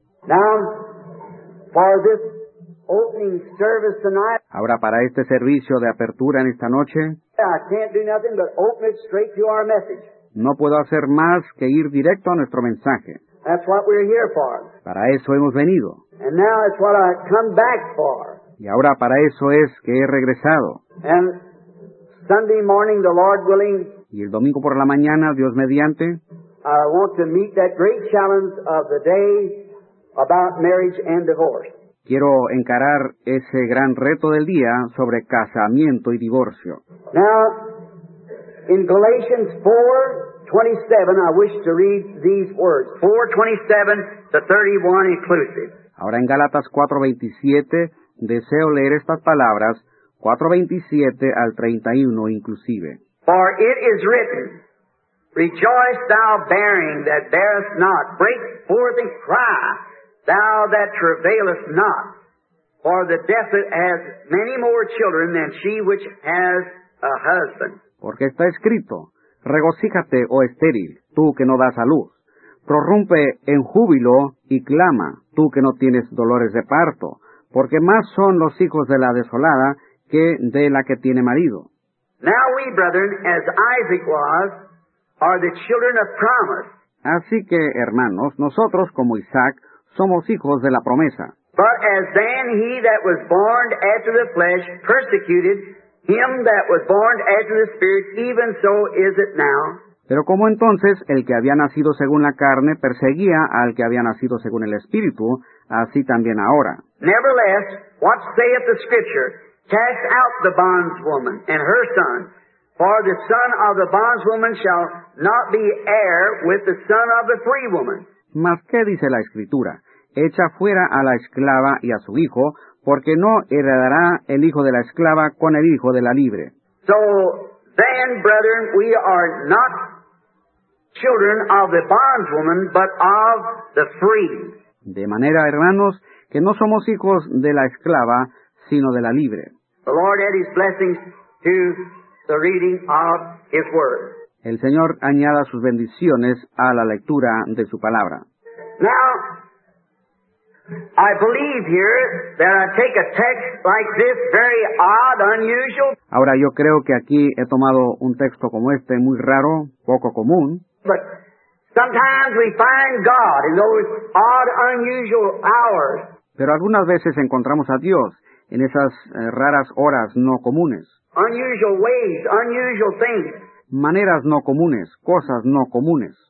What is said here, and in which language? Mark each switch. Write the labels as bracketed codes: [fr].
[en] Now, for this opening service tonight, [es] ahora, para este servicio de apertura en esta noche, [en] I can't do nothing but open it straight to our message. [es] No puedo hacer más que ir directo a nuestro mensaje. [en] That's what we're here for. [es] Para eso hemos venido. [en] And now it's what I come back for. [es] Y ahora para eso es que he regresado. [en] And Sunday morning, the Lord willing, [es] y el domingo por la mañana, Dios mediante, [en] I want to meet that great challenge of the day about marriage and divorce. [es] Quiero encarar ese gran reto del día sobre casamiento y divorcio. [en] Now, in Galatians 4:27, I wish to read these words. 4:27 to 31 inclusive. [es] Ahora en Gálatas 4:27, deseo leer estas palabras, 4:27 al 31 inclusive. [en] For it is written, rejoice thou bearing that bearest not, break forth and cry, thou that travailest not. For the desolate has many more children than she which has a husband. [es] Porque está escrito, regocíjate, oh estéril, tú que no das a luz. Prorrumpe en júbilo y clama, tú que no tienes dolores de parto. Porque más son los hijos de la desolada que de la que tiene marido. [en] Now we, brethren, as Isaac was, are the children of promise. [es] Así que, hermanos, nosotros, como Isaac, somos hijos de la promesa. [en] But as then he that was born after the flesh persecuted him that was born after the spirit, even so is it now. [es] Pero como entonces el que había nacido según la carne perseguía al que había nacido según el espíritu, así también ahora. [en] Nevertheless, what saith the scripture? Cast out the bondswoman and her son, for the son of the bondswoman shall not be heir with the son of the free woman. [es] Mas qué dice la escritura? Echa fuera a la esclava y a su hijo, porque no heredará el hijo de la esclava con el hijo de la libre. [en] So then, brethren, we are not children of the bondswoman, but of the free. [es] De manera, hermanos, que no somos hijos de la esclava, sino de la libre. [en] The Lord add his blessings to the reading of his word. [es] El Señor añada sus bendiciones a la lectura de su palabra. [en] Now, I believe here that I take a text like this, very odd, unusual. [es] Ahora, yo creo que aquí he tomado un texto como este, muy raro, poco común. [en] But sometimes we find God in those odd, unusual hours. [es] Pero algunas veces encontramos a Dios en esas raras horas no comunes. [en] Unusual ways, unusual things. [es] Maneras no comunes, cosas no comunes.